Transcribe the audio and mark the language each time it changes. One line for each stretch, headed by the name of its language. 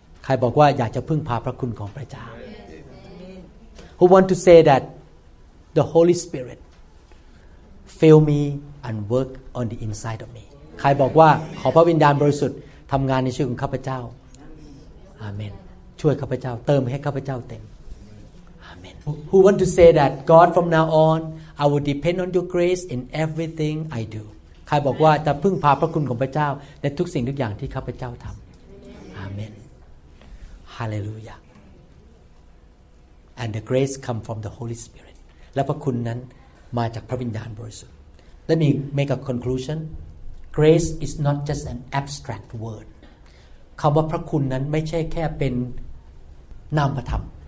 Thai: ใครบอกว่าอยากจะพึ่งพาพระคุณของพระเจ้า
English: Who want to say that the Holy Spirit fill me and work on the inside of me?
Thai: ใครบอกว่าขอพระวิญญาณบริสุทธิ์ทำงานในชีวิตของข้าพเจ้า Amen. ช่วยข้าพเจ้าเติมให้ข้าพเจ้าเต็ม Amen.
English: Who want to say that God from now on I will depend on your grace in everything I do?
Thai: ใครบอกว่าจะพึ่งพาพระคุณของพระเจ้าในทุกสิ่งทุกอย่างที่ข้าพเจ้าทำอาเมนฮาเลลูยา
English: and the grace come from the Holy Spirit
Thai: และพระคุณนั้นมาจากพระวิญญาณบริสุทธิ์
English: Let me make a conclusion Grace is not just an abstract word
Thai: คำว่าพระคุณนั้นไม่ใช่แค่เป็นนามธรรม